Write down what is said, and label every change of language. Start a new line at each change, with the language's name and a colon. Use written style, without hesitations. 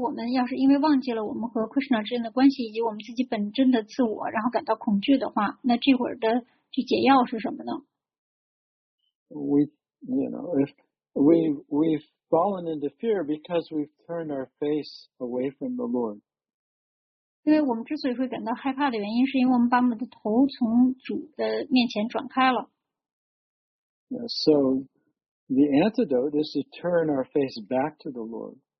Chinese: 但是如果我们要是因为忘记了我们和 Krishna 之间的关系，以及我们自己本真的自我，然后感到恐惧的话，那这会儿的去解药是什么呢？
English: We've fallen into fear because we've turned our face away from the Lord.
Chinese: 因为我们之所以会感到害怕的原因，是因为我们把我们的头从主的面前转开了。Yeah,
English: so the antidote is to turn our face back to the Lord.